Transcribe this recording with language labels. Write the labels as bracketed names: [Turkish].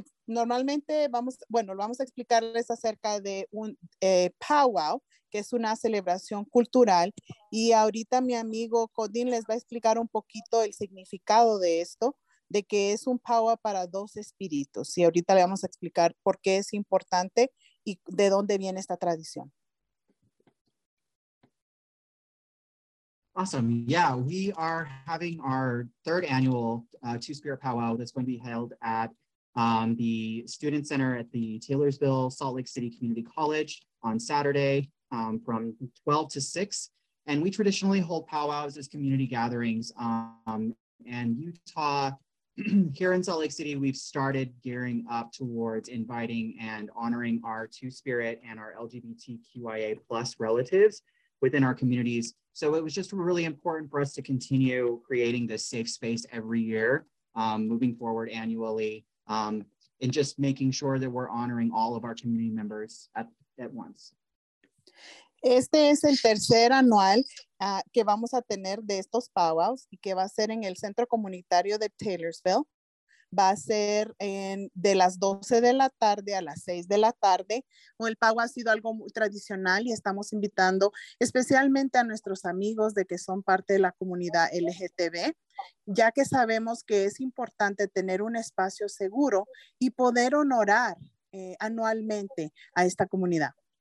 [Spanish] normalmente vamos a explicarles acerca de un powwow, que es una celebración cultural, y ahorita mi amigo Cody les va a explicar un poquito el significado de esto, de que es un powwow para dos espíritus. Y ahorita le vamos a explicar por qué es importante y de dónde viene esta tradición. [English] Awesome. Yeah, we are having our third annual Two-Spirit Powwow that's going to be held at the Student Center at the Taylorsville Salt Lake City Community College on Saturday from 12 to 6. And we traditionally hold powwows as community gatherings. And Utah, here in Salt Lake City, we've started gearing up towards inviting and honoring our Two-Spirit and our LGBTQIA plus relatives within our communities. So it was just really important for us to continue creating this safe space every year, moving forward annually, and just making sure that we're honoring all of our community members at once. [Spanish] Este es el tercer anual que vamos a tener de estos powwows y que va a ser en el centro comunitario de Taylorsville. Va a ser de las 12 de la tarde a las 6 de la tarde. El powwow ha sido algo muy tradicional y estamos invitando especialmente a nuestros amigos de que son parte de la comunidad LGTB, ya que sabemos que es importante tener un espacio seguro y poder honorar anualmente a esta comunidad.